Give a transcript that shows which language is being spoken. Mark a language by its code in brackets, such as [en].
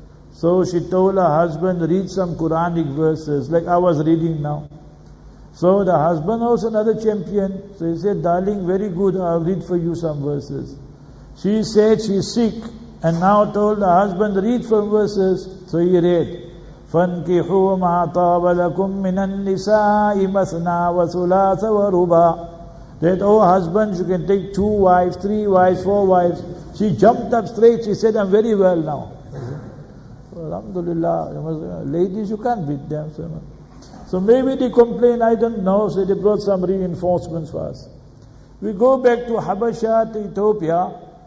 [en] So she told her husband, read some Quranic verses, like I was reading now. So the husband was another champion. So he said, darling, very good, I'll read for you some verses. She said she's sick, and now told her husband, read some verses. So he read, [ar] فَانْكِحُوا مَا طَابَ لَكُم مِّنَ النِّسَاءِ مَثْنَى وَثُلَاثَ وَرُبَعَ. [en] That, oh husband, you can take two wives, three wives, four wives. She jumped up straight. She said, I'm very well now. Alhamdulillah. Ladies, you can't beat them. So maybe they complain, I don't know. So they brought some reinforcements for us. We go back to Habasha, to Ethiopia.